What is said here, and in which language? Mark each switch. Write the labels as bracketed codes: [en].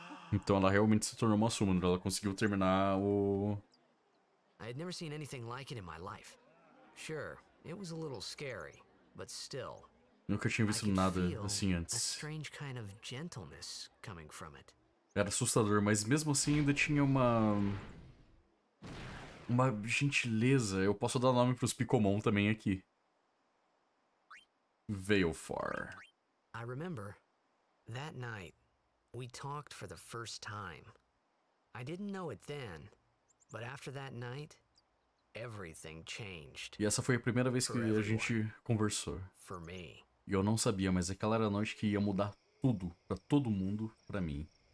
[pt] Então ela realmente se tornou uma Summoner, ela conseguiu terminar o... [en] I had never seen anything like it in my life. Sure, it was a little scary, but still. [pt] Nunca tinha visto nada assim antes. [en] A strange kind of gentleness coming from it. [pt] Era assustador, mas mesmo assim ainda tinha uma... uma gentileza. Eu posso dar nome pros Picomon também aqui. Veilfar. [en] I remember that night. We talked for the first time. I didn't know it then, but after that night, everything changed. [pt] E essa foi a primeira vez que a gente conversou. [en] For me. [pt] E eu não sabia, mas aquela era a noite que ia mudar tudo, pra todo mundo, pra mim.